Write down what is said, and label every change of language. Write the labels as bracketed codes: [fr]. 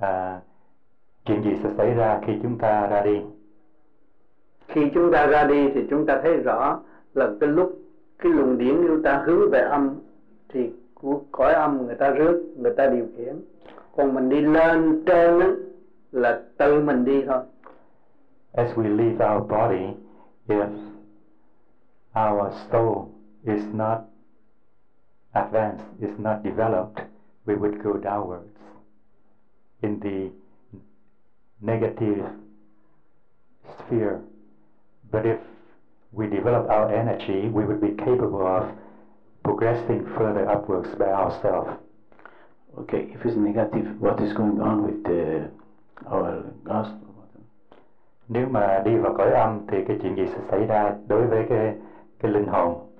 [en] I'm not [vi] chuyện gì sẽ xảy ra khi chúng ta ra đi? Khi chúng ta ra đi thì chúng ta thấy rõ là cái lúc cái luồng điển chúng ta hướng về âm thì của cõi âm người ta rước, người ta điều khiển. Còn mình đi lên trên là tự mình đi thôi. [en] As we leave our body, if our soul is not advanced, is not developed, we would go downwards in the negative sphere. But if we develop our energy, we would be capable of progressing further upwards by ourselves. Okay, if it's negative, what is going on with our gospel? [vi] Nếu mà đi vào cõi âm thì cái chuyện gì sẽ xảy ra đối với cái linh hồn?